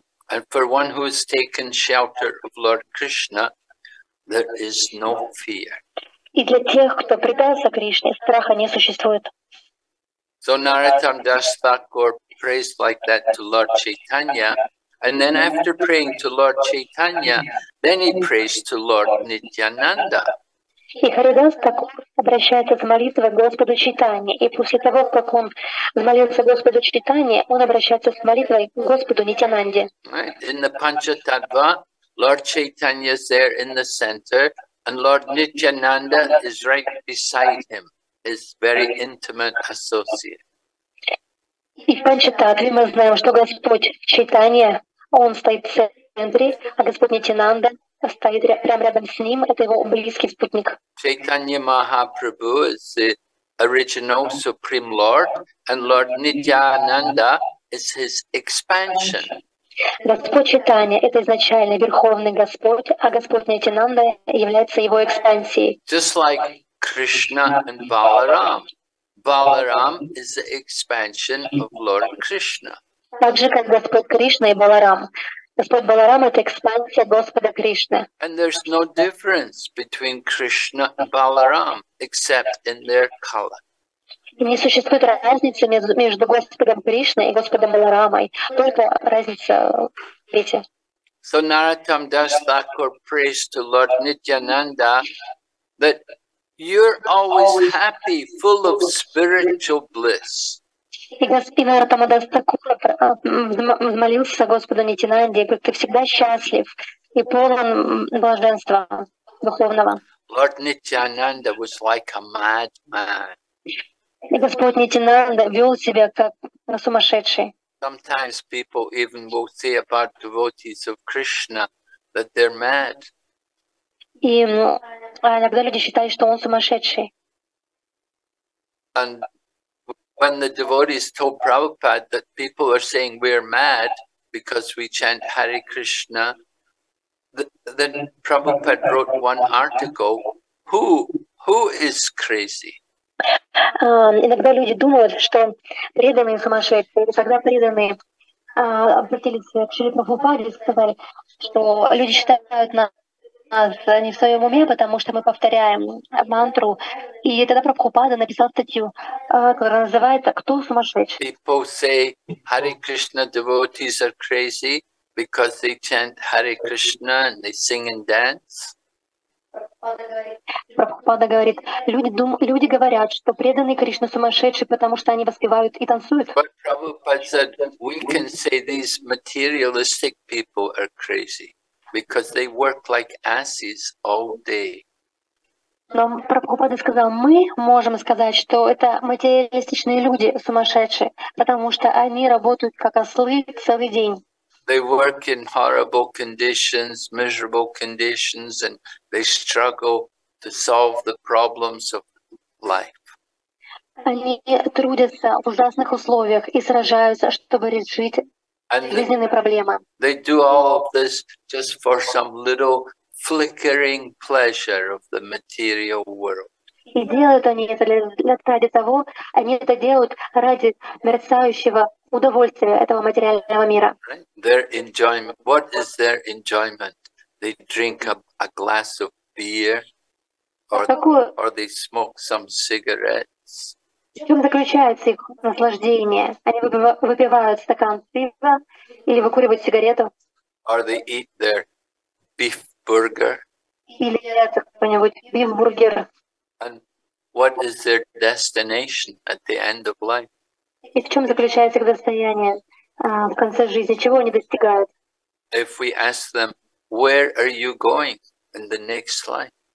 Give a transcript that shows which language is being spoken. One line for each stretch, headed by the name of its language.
English: And for one who has taken shelter of Lord Krishna, there is no fear.
Russian: И для тех, кто предался Кришне, страха не существует.
English: So Narottam Das Thakur prays like that to Lord Chaitanya, and then after praying to Lord Chaitanya, then he prays to Lord Nityananda.
Russian: И Харидас Такур обращается с молитвой к Господу Чайтанье. И после того, как он взмолился Господу Чайтанье, он обращается с молитвой к Господу Нитянанде.
English: In the Panchatattva, Lord Chaitanya is there in the center, and Lord Nityananda is right beside him, his very intimate associate.
Russian: И в Панчататве мы знаем, что Господь Чайтанья, он стоит в центре, а Господь Нитянанда стоит прямо рядом с ним, это его близкий спутник.
English: Чайтанья Махапрабху is the original Supreme Lord, and Lord Nityananda is his expansion.
Russian: Господь Чайтанья — это изначальный Верховный Господь, а Господь Нитянанда является его экспансией.
English: Just like Krishna and Balaram. Balaram is the expansion of Lord Krishna.
Russian: Так же, как Господь Кришна и Баларам. Господь Баларам — это экспансия Господа Кришны.
English: And there's no difference between Krishna and Balaram, except in their color.
Russian: Не существует разницы между Господом Кришной и Господом Баларамой, только разница в цвете.
English: So Narottam Das Thakur prays to Lord Nityananda that you're always happy, full of spiritual bliss.
Russian: И Господь Нарттама Дас Такур взмолился Господу Нитянанде, говорит, ты всегда счастлив и полон блаженства духовного.
English: Lord Nityananda was like a madman.
Russian: И Господь Нитянанда вел себя как сумасшедший.
English: Sometimes people even will say about devotees of Krishna that they're mad.
Russian: И иногда люди считают, что он сумасшедший.
English: And when the devotees told Prabhupada that people are saying we're mad because we chant Hare Krishna, then Prabhupada wrote one article, Who is crazy?
Russian: Иногда люди думают, что преданные сумасшедшие, и когда преданные обратились к Шри Прабхупаде и сказали, что люди считают нас не в своем уме, потому что мы повторяем мантру. И тогда Прабхупада написал статью, которая называется «Кто сумасшедший?».
English: People say Hare Krishna devotees are crazy because they chant Hare Krishna and they sing and dance.
Russian: Прабхупада говорит, люди говорят, что преданные Кришне сумасшедшие, потому что они воспевают и танцуют.
English: But Prabhupada said, we can say these materialistic people are crazy, because they work like asses all day.
Russian: Но Прабхупада сказал, мы можем сказать, что это материалистичные люди сумасшедшие, потому что они работают как ослы целый день.
English: They work in horrible conditions, miserable conditions, and they struggle to solve the problems of life.
Russian: Они трудятся в ужасных условиях и сражаются, чтобы решить жизненные проблемы.
English: They do all of this just for some little flickering pleasure of the material world.
Russian: И делают они это ради того, они это делают ради мерцающего удовольствия этого материального мира.
English: Their enjoyment. What is their enjoyment? They drink a glass of beer or they smoke some cigarettes.
Russian: В чем заключается их наслаждение? Они выпивают стакан пива или выкуривают сигарету?
English: Or they eat their beef burger?
Russian: Или едят какой-нибудь
English: beef burger? And what is their destination at the end of life?
Russian: И в чем заключается их достояние в конце жизни? Чего они достигают?
English: If we ask them, where are you going in the next life?